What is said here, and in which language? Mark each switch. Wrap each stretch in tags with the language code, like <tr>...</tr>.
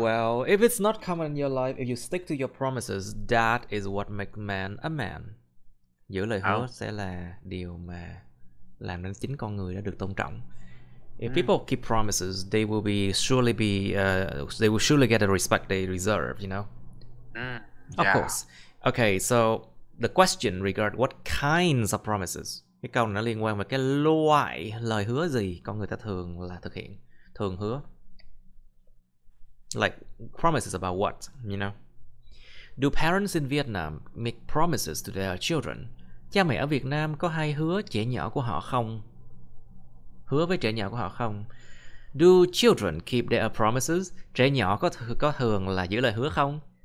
<en>well, if it's not common in your life, if you stick to your promises, that is what make man a man.</en> <vi>Giữ lời hứa Oh. sẽ là điều mà làm nên chính con người đã được tôn trọng.</vi> <en>If people keep promises, they will surely get the respect they deserve, you know? Of course. Okay, so the question regard what kinds of promises?</en> <vi>Cái câu này nó liên quan về cái loại lời hứa gì con người ta thường là thực hiện, thường hứa.</vi> <en>Like promises about what, you know? Do parents in Vietnam make promises to their children?</en> <vi>Cha mẹ ở Việt Nam có hay hứa trẻ nhỏ của họ không? Hứa với trẻ nhỏ của họ không?</vi> <en>Do children keep their promises?</en> <vi>Trẻ nhỏ có thường là giữ lời hứa không?</vi>